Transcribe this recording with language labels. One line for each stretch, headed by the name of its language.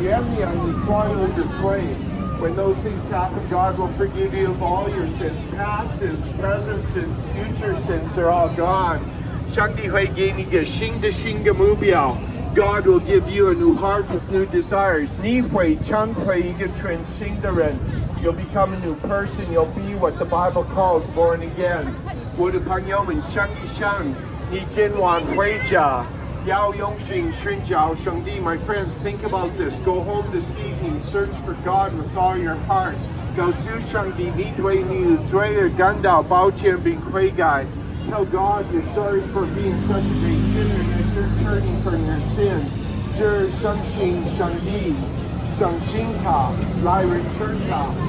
Chinese: 第一，得知道流水，这很重要。第二，你必须悔改。第三，你只能相信耶稣基督。当这些都做了，上帝可以马上原谅你所有的罪。
English: When those things happen, God will forgive you of all your sins, past sins, present sins, future sins, they're all gone.
Chinese: 上帝会给你一个新的目标。
English: God will give you a new heart with new desires.
Chinese: 你会成为一个全新的人。
English: You'll become a new person. You'll be what the Bible calls born again.
Chinese: 我的朋友们，想一想，你今晚回家要用心寻找上帝。
English: My friends, think about this. Go home this evening. Search for God with all your heart.
Chinese: 告诉上帝，你对你的罪感到抱歉并悔改。
English: Tell God you're sorry for being such a great sinner and you're turning from your sins.
Chinese: 就相信上帝，相信他，来认识他。